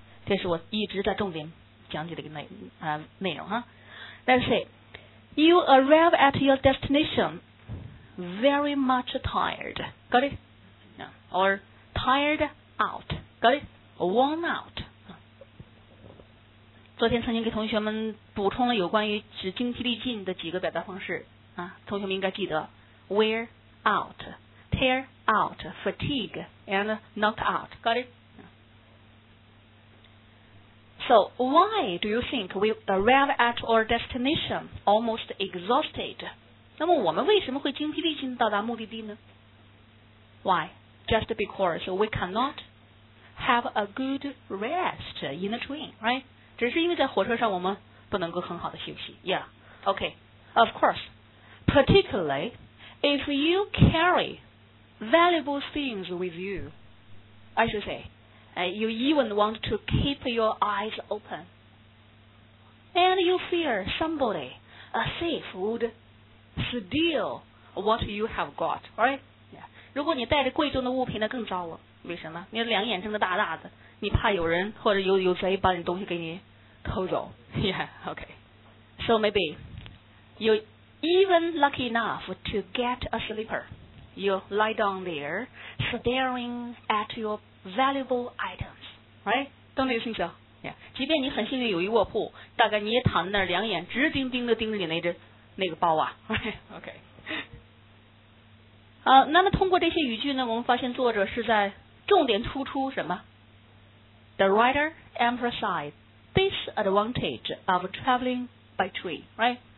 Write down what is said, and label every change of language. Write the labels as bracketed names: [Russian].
[Chinese] 这是我一直在重点讲解的一个内容哈。 [English] Let's see. You arrive at your destination very much tired. Got it? Or tired out. Got it? Worn out. [Chinese] 昨天曾经给同学们补充了有关于使精疲力尽的几个表达方式啊，同学们应该记得 [English] wear out, tear out, fatigue, and knocked out. Got it? So, why do you think we arrive at our destination almost exhausted? [Chinese] 那么我们为什么会精疲力尽到达目的地呢？ [English] Why? Just because we cannot have a good rest in the train, right? [Chinese] 只是因为在火车上我们不能够很好的休息。 [English] Yeah, okay. Of course, particularly if you carry valuable things with you, I should say,you even want to keep your eyes open. And you fear somebody, a thief, would steal what you have got, right? Yeah. [Chinese] 如果你带着贵重的物品呢，更糟了。为什么？你两眼睁得大大的，你怕有人或者有贼把你东西给你偷走。 [English] Yeah, okay. So maybe you're even lucky enough to get a sleeper. You lie down there, staring at your bed. Valuable items, right? Don't you think so? Yeah. [Chinese] 即便你很幸运有一卧铺，大概你也躺在那儿，两眼直盯盯的盯着你那个包啊。 [English] Okay. [Chinese] 好，那么通过这些语句呢，我们发现作者是在重点突出什么 ？ [English] The writer emphasized disadvantage of traveling by train, right?